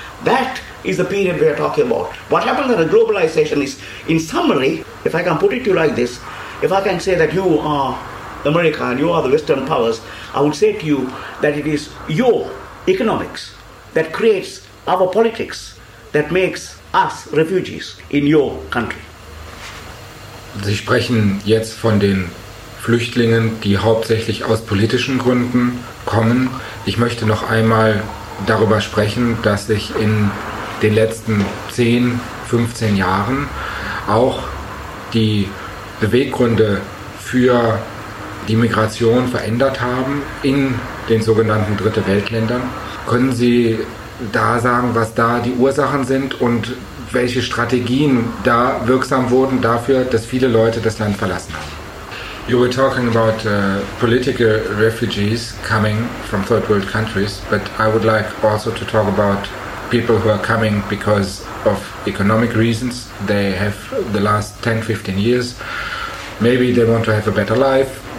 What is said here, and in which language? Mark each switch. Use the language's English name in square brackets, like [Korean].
[English] That is the period we are talking about. What happened in the globalization is, in summary, if I can put it to you like this, if I can say that you are America and you are the Western powers, I would say to you that it is your economics that creates our politics that makes us refugees in your country. [German] Sie sprechen jetzt von den Flüchtlingen, die hauptsächlich aus politischen Gründen kommen. Ich möchte noch einmal darüber sprechen, dass sich in den letzten 10, 15 Jahren auch die Beweggründe für die Migration verändert haben in den sogenannten Dritte Weltländern. Können Sie da sagen, was da die Ursachen sind und welche Strategien da wirksam wurden dafür, dass viele Leute das Land verlassen haben? [English] You were talking about political refugees coming from third world countries, but I would like also to talk about people who are coming because of economic reasons. They have the last 10, 15 years. Maybe they want to have a better life.